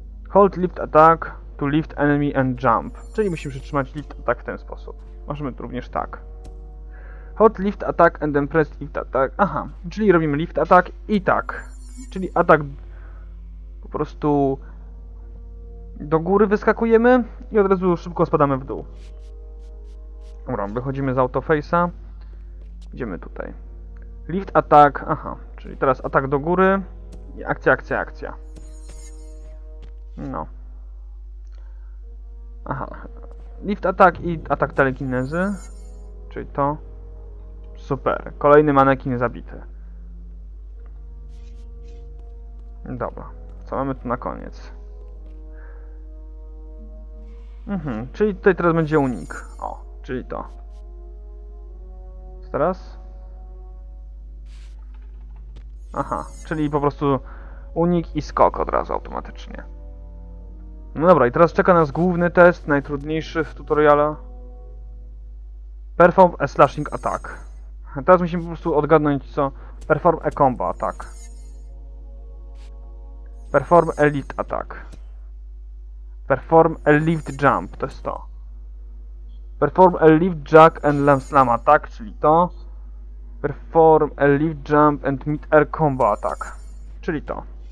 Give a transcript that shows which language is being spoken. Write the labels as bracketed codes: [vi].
[en] Hold lift attack to lift enemy and jump. [pl] Czyli musimy przytrzymać lift attack w ten sposób. Możemy tu również tak. [en] Hold lift attack and then press lift attack. [pl] Aha, czyli robimy lift attack i tak. Czyli atak po prostu... Do góry wyskakujemy i od razu szybko spadamy w dół. Dobra, wychodzimy z autoface'a. Idziemy tutaj. Lift attack, aha, czyli teraz atak do góry i akcja, akcja, akcja. No. Aha. Lift attack i atak telekinezy. Czyli to. Super. Kolejny manekin zabity. Dobra. Co mamy tu na koniec? Mhm, czyli tutaj teraz będzie unik. O, czyli to. Co teraz? Aha, czyli po prostu unik i skok od razu automatycznie. No dobra, i teraz czeka nas główny test, najtrudniejszy w tutoriala. [en] Perform a slashing attack. [pl] Teraz musimy po prostu odgadnąć co... [en] Perform a combo attack. Perform a lift attack. Perform a lift jump, [pl] to jest to. [en] Perform a lift jack and lamb slam attack, [pl] czyli to. [en] Perform a lift jump and mid air combo attack, czyli to.